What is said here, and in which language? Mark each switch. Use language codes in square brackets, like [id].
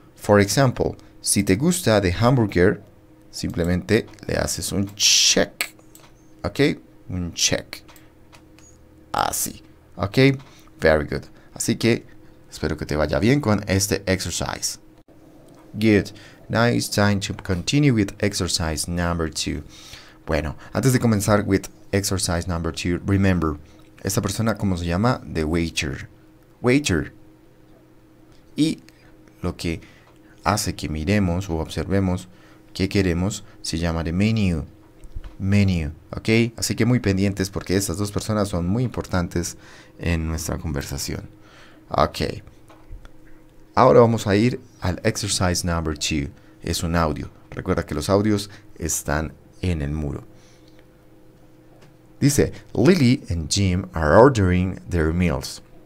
[en] For example, [es] si te gusta [en] the hamburger, [es] simplemente le haces un check. ¿Ok? Un check. Así. ¿Ok? [en] Very good. [es] Así que espero que te vaya bien con este exercise. [en] Good. Now it's time to continue with exercise number 2. [es] Bueno, antes de comenzar [en] with exercise number 2, remember, [es] esta persona, ¿cómo se llama? [en] The waiter. Waiter. [es] Y lo que hace que miremos o observemos qué queremos se llama the menu. Menu, ¿ok? Así que muy pendientes porque estas dos personas son muy importantes en nuestra conversación. Ok. Ahora vamos a ir al [en] exercise number 2. [es] Es un audio. Recuerda que los audios están en el muro. Dice, [en] Lily and Jim are ordering their meals.